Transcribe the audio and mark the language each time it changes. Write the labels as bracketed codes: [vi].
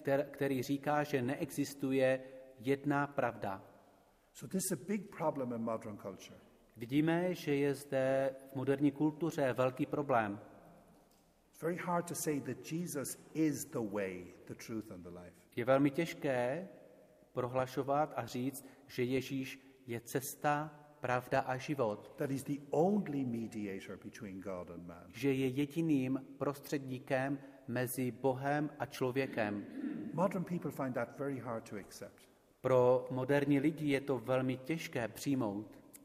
[cs] Který říká, že neexistuje jedna pravda. [en] So this is a big problem in modern culture. [cs] Vidíme, že je zde v moderní kultuře velký problém. [en] It's very hard to say that Jesus is the way, the truth and the life. [cs] Je velmi těžké prohlašovat a říct, že Ježíš je cesta, pravda a život. [en] That is the only mediator between God and man. [cs] Že je jediným prostředníkem mezi Bohem a člověkem. [en] Modern people find that very hard to accept. [cs] Pro moderní lidi je to velmi těžké přijmout.